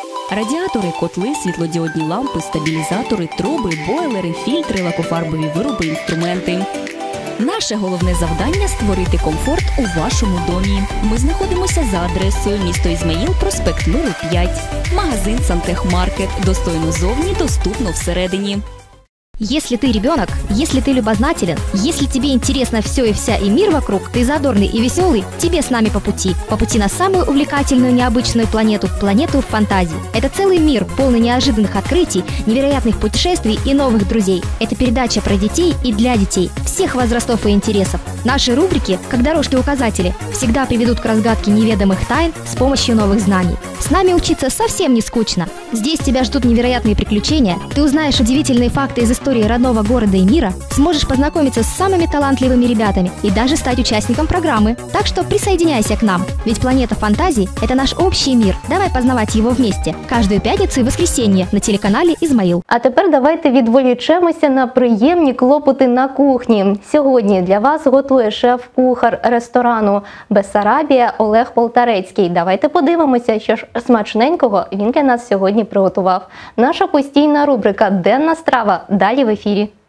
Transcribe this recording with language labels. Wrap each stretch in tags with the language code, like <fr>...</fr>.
<uk>Радіатори, котли, світлодіодні лампи, стабілізатори, труби, бойлери, фільтри, лакофарбові вироби, інструменти. Наше головне завдання – створити комфорт у вашому домі. Ми знаходимося за адресою місто Ізмаїл, проспект Миру, 5. Магазин «Сантехмаркет». Достойно зовні, доступно всередині.</uk> <ru>Если ты ребенок, если ты любознателен, если тебе интересно все и вся и мир вокруг, ты задорный и веселый, тебе с нами по пути. По пути на самую увлекательную, необычную планету, планету фантазий. Это целый мир, полный неожиданных открытий, невероятных путешествий и новых друзей. Это передача про детей и для детей, всех возрастов и интересов. Наши рубрики, как дорожки-указатели, всегда приведут к разгадке неведомых тайн с помощью новых знаний. С нами учиться совсем не скучно. Здесь тебя ждут невероятные приключения, ты узнаешь удивительные факты из истории, территории родного города и мира, сможешь познакомиться с самыми талантливыми ребятами и даже стать участником программы. Так что присоединяйся к нам, ведь планета фантазий – это наш общий мир. Давай познавать его вместе каждую пятницу и воскресенье на телеканале «Ізмаїл».</ru> <uk>А тепер давайте відволічемося на приємні клопоти на кухні. Сьогодні для вас готує шеф-кухар ресторану «Бессарабія» Олег Полторецький. Давайте подивимося, що ж смачненького він для нас сьогодні приготував. Наша постійна рубрика «Денна страва» далі в ефірі.</uk>